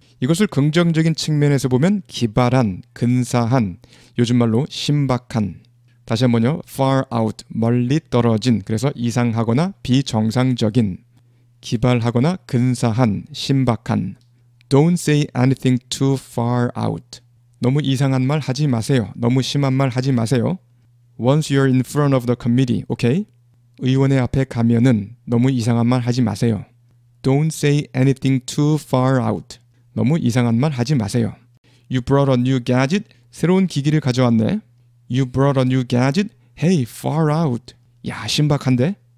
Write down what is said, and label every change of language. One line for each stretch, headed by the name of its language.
Korean: 이것을 긍정적인 측면에서 보면 기발한, 근사한, 요즘 말로 신박한. 다시 한번요. far out, 멀리 떨어진, 그래서 이상하거나 비정상적인, 기발하거나 근사한, 신박한.
English: Don't say anything too far out.
Korean: 너무 이상한 말 하지 마세요. 너무 심한 말 하지 마세요.
English: Once you're in front of the committee, okay?
Korean: 의원회 앞에 가면은 너무 이상한 말 하지 마세요.
English: Don't say anything too far out.
Korean: 너무 이상한 말 하지 마세요.
English: You brought a new gadget.
Korean: 새로운 기기를 가져왔네.
English: You brought a new gadget. Hey, far out.
Korean: 야, 신박한데?